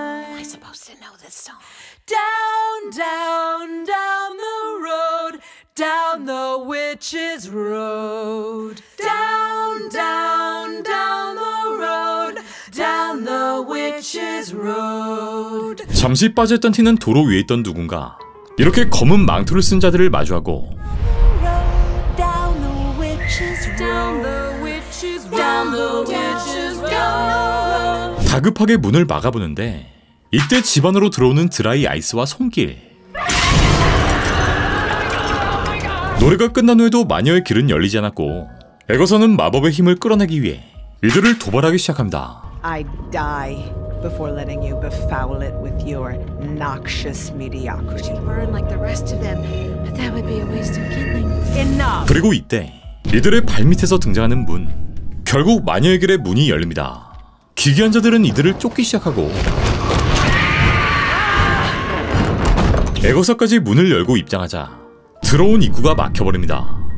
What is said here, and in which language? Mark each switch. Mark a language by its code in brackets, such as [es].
[en] Am I supposed to know this song? Down, down, down the road, down the witch's road. Down, down, down the road, down the witch's road. [ko] 잠시 빠져있던 티는 도로 위에 있던 누군가, 이렇게 검은 망토를 쓴 자들을 마주하고, [en] down the witch's road, down the witch's road, down the witch's road, down the witch's road. [ko] 다급하게 문을 막아보는데, 이때 집 안으로 들어오는 드라이 아이스와 손길. 노래가 끝난 후에도 마녀의 길은 열리지 않았고, 에거서는 마법의 힘을 끌어내기 위해 이들을 도발하기 시작합니다. [en] I die before letting you befoul it with your noxious mediocrity. You burn like the rest of them, but that would be a waste of killing. Enough. [ko] 그리고 이때 이들의 발밑에서 등장하는 문, 결국 마녀의 길에 문이 열립니다. 기괴한 자들은 이들을 쫓기 시작하고, 에거서까지 문을 열고 입장하자 들어온 입구가 막혀버립니다.